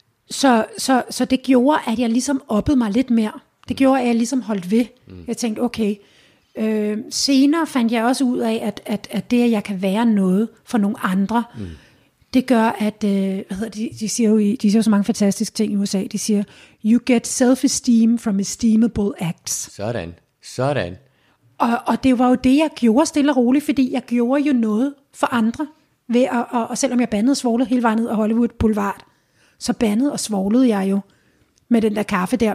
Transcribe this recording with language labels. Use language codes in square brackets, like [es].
[da] Så det gjorde, at jeg ligesom oppede mig lidt mere. Det gjorde, at jeg ligesom holdt ved. Jeg tænkte, okay. Senere fandt jeg også ud af, at det, at jeg kan være noget for nogle andre, det gør, at de siger jo så mange fantastiske ting i USA. De siger, [en] you get self-esteem from esteemable acts. [da] Sådan. Og det var jo det, jeg gjorde stille og roligt, fordi jeg gjorde jo noget for andre. Og selvom jeg bandede og svoglede hele vejen ned af Hollywood Boulevard, så bandede og svoglede jeg jo med den der kaffe der.